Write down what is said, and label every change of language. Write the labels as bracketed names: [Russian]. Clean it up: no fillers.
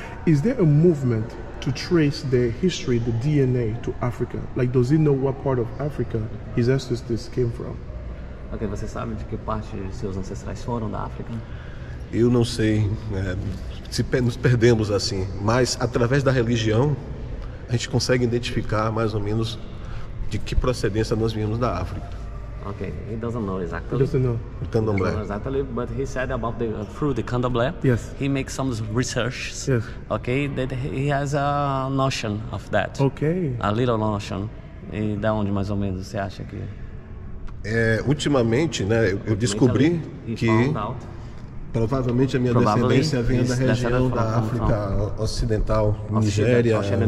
[English] Is there a movement to trace the history, the DNA to Africa? Like, does he know what part of Africa his ancestors came from? [Portuguese] Ok, você sabe de que parte de seus ancestrais foram da África? Eu não sei, nos perdemos assim, mas através da religião a gente consegue identificar mais ou menos de que procedência nós viemos da África. [English] Ok, he doesn't know exactly. He doesn't know. [Portuguese] O candomblé. [English] He doesn't know exactly, but he said about the through the candomblé. Yes. He makes some research. Yes. Okay, that he has a notion of that. Okay. A little notion. [Portuguese] E da onde mais ou menos você acha que... Ultimamente, né, eu descobri que provavelmente a minha descendência vem da região da África Ocidental, Nigéria,